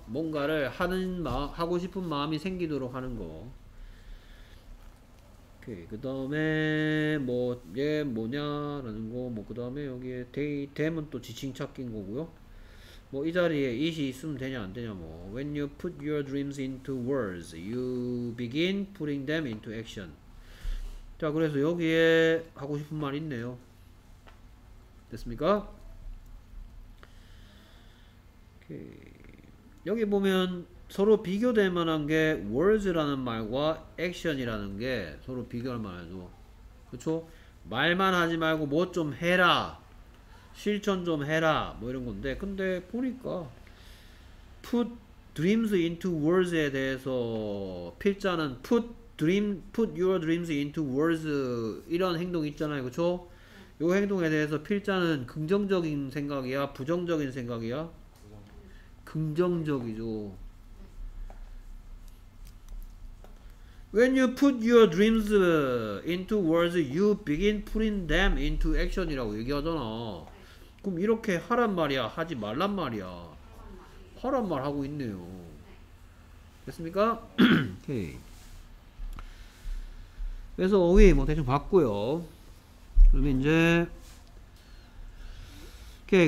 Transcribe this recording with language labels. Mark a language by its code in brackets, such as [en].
[ko] 뭔가를 하고 싶은 마음이 생기도록 하는 거. 오케이. 그 다음에 뭐 얘 뭐냐라는 거. 뭐 그 다음에 여기에 댐은 또 지칭 찾기인 거고요. 뭐 이 자리에 it이 있으면 되냐 안 되냐 뭐. [en] When you put your dreams into words, you begin putting them into action. [ko] 자, 그래서 여기에 하고 싶은 말 있네요. 됐습니까? 오케이. 여기 보면 서로 비교될 만한 게 words라는 말과 action이라는 게 서로 비교할 만하죠. 그쵸? 말만 하지 말고 뭐 좀 해라, 실천 좀 해라 뭐 이런 건데, 근데 보니까 [en] put dreams into words [ko] 에 대해서 필자는 [en] put your dreams into words [ko] 이런 행동 있잖아요. 그쵸? 요 행동에 대해서 필자는 긍정적인 생각이야 부정적인 생각이야? 긍정적이죠. [en] When you put your dreams into words, you begin putting them into action [ko] 이라고 얘기하잖아. 그럼 이렇게 하란 말이야 하지 말란 말이야? 하란 말 하고 있네요. 됐습니까? 오케이. 그래서 어휘 뭐 대충 봤고요. 그러면 이제 오케이.